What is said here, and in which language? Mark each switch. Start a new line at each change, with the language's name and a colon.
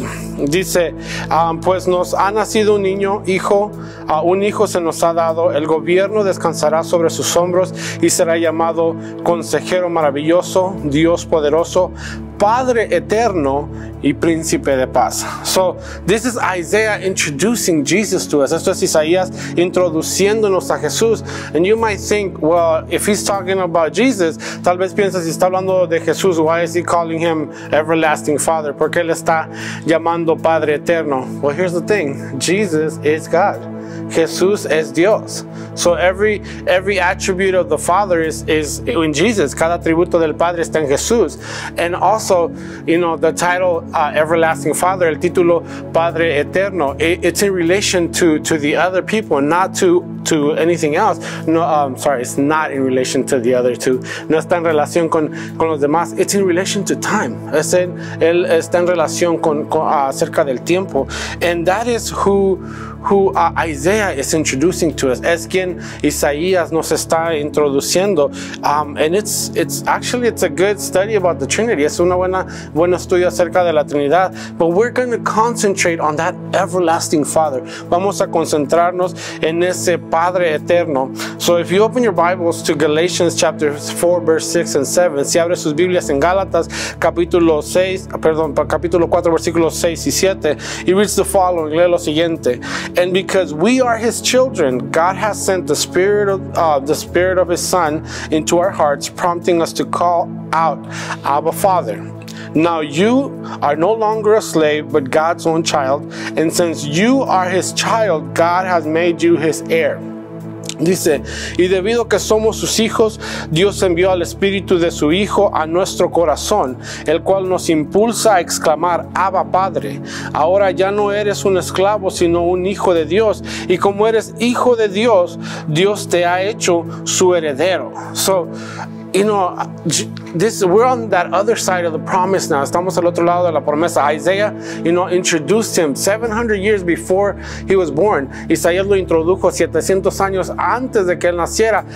Spanish: Dice, pues nos ha nacido un hijo se nos ha dado, el gobierno descansará sobre sus hombros y será llamado Consejero Maravilloso, Dios Poderoso, Padre Eterno y Príncipe de Paz.
English: So, this is Isaiah introducing Jesus to us.
Spanish: Esto es Isaías introduciéndonos a Jesús.
English: And you might think, well, if he's talking about Jesus,
Spanish: tal vez piensas, si está hablando de Jesús,
English: why is he calling him Everlasting Father?
Spanish: ¿Por qué le está llamando Padre Eterno?
English: Well, here's the thing. Jesus is God.
Spanish: Jesús es Dios.
English: So every attribute of the Father is in Jesus.
Spanish: Cada atributo del Padre está en Jesús.
English: And also, you know, the title Everlasting Father,
Spanish: el título Padre Eterno,
English: it's in relation to the other people, not to anything else. No, it's not in relation to the other two.
Spanish: No está en relación con los demás.
English: It's in relation to time.
Spanish: Él está en relación con acerca del tiempo.
English: And that is who Isaiah is introducing to us.
Spanish: Es quien Isaías nos está introduciendo.
English: And it's a good study about the Trinity.
Spanish: Es una buena estudio acerca de la Trinidad.
English: But we're going to concentrate on that Everlasting Father.
Spanish: Vamos a concentrarnos en ese Padre Eterno.
English: So if you open your Bibles to Galatians chapter 4, verse 6 and 7.
Spanish: Si abre sus Biblias en Gálatas, capítulo 4, versículos 6 y 7.
English: It reads the following.
Spanish: Lee lo siguiente.
English: And because we are his children, God has sent the spirit of his son into our hearts, prompting us to call out, Abba Father. Now you are no longer a slave, but God's own child. And since you are his child, God has made you his heir.
Spanish: Dice, y debido que somos sus hijos, Dios envió al Espíritu de su Hijo a nuestro corazón, el cual nos impulsa a exclamar, Abba Padre. Ahora ya no eres un esclavo, sino un hijo de Dios. Y como eres hijo de Dios, Dios te ha hecho su heredero.
English: So, you know, we're on that other side of the promise now.
Spanish: Estamos al otro lado de la promesa.
English: Isaiah, you know, introduced him 700 years before he was born.
Spanish: Isaías lo introdujo 700 años antes de que él naciera.